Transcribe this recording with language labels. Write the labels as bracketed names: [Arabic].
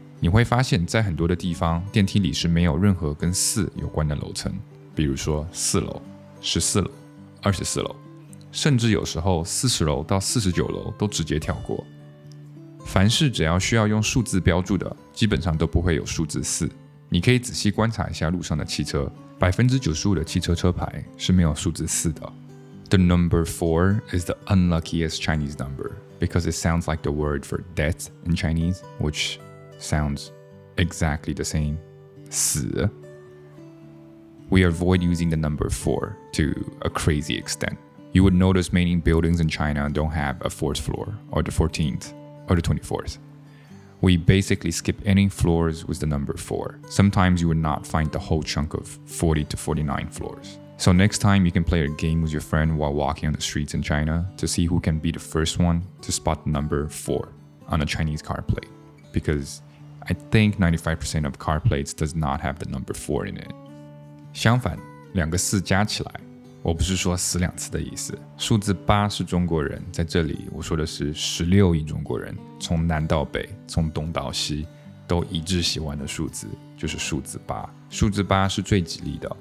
[Chinese] 你会发现在很多的地方电梯里是没有任何跟四有关的楼层，比如说四楼、十四楼、二十四楼，甚至有时候四十楼到四十九楼都直接跳过。凡是只要需要用数字标注的，基本上都不会有数字四。你可以仔细观察一下路上的汽车，95%的汽车车牌是没有数字四的。 [English] The number 4 is the unluckiest Chinese number because it sounds like the word for death in Chinese, which sounds exactly the same. 死.We avoid using the number 4 to a crazy extent. You would notice many buildings in China don't have a 4th floor, or the 14th, or the 24th. We basically skip any floors with the number 4. Sometimes you would not find the whole chunk of 40 to 49 floors. So next time, you can play a game with your friend while walking on the streets in China to see who can be the first one to spot the number 4 on a Chinese car plate. Because I think 95% of car plates does not have the number 4 in it. [Chinese] 相反，两个四加起来，我不是说死两次的意思。数字八是中国人，在这里我说的是16亿中国人，从南到北，从东到西，都一致喜欢的数字。就是数字八，数字八是最吉利的。